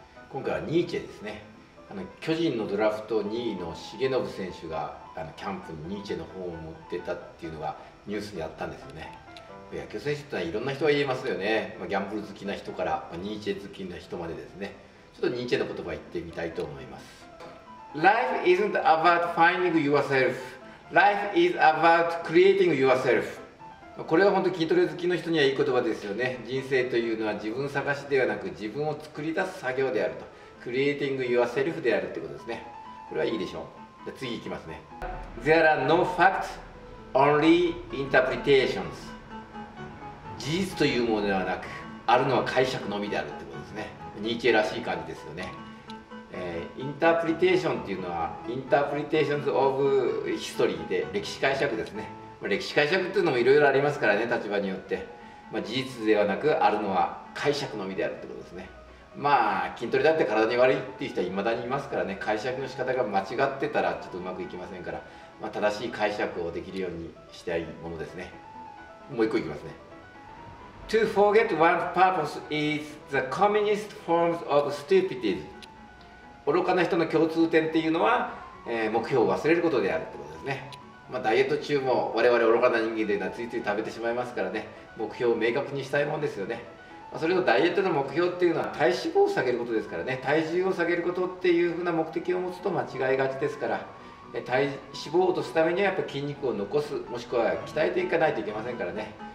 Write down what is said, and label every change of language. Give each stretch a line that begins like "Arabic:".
Japanese: 今回はニーチェですね。巨人のドラフト2位の重信選手がキャンプにニーチェの本を持ってたっていうのがニュースにあったんですよね。野球選手ってのはいろんな人が言えますよね。ギャンブル好きな人からニーチェ好きな人までですね。ちょっとニーチェの言葉言ってみたいと思います。
English: Life isn't about finding yourself. Life is about creating yourself.
Japanese: これは本当筋トレ好きの人にはいい言葉ですよね。人生というのは自分探しではなく自分を作り出す作業であると、
English: Creating yourself
Japanese: であるってことですね。これはいいでしょう。じゃあ次いきますね。
English: There are no facts, only interpretations.
Japanese: 事実というものではなく、あるのは解釈のみであるってことですね。ニーチェらしい感じですよね。インタープリテーションっていうのはインタープリテーションズオブヒストリーで歴史解釈ですね。歴史解釈っていうのもいろいろありますからね、立場によって。まあ、事実ではなくあるのは解釈のみであるってことですね。まあ筋トレだって体に悪いっていう人は未だにいますからね。解釈の仕方が間違ってたらちょっとうまくいきませんから、まあ、正しい解釈をできるようにしたいものですね。もう一個いきますね。
English: To forget one's purpose is the commonest form of stupidity.
Japanese: 愚かな人の共通点っていうのは、目標を忘れることであるってことですね。まあ、ダイエット中も我々愚かな人間でついつい食べてしまいますからね、目標を明確にしたいもんですよね。まあ、それとダイエットの目標っていうのは体脂肪を下げることですからね、体重を下げることっていうふうな目的を持つと間違いがちですから、体脂肪を落とすためにはやっぱ筋肉を残す、もしくは鍛えていかないといけませんからね。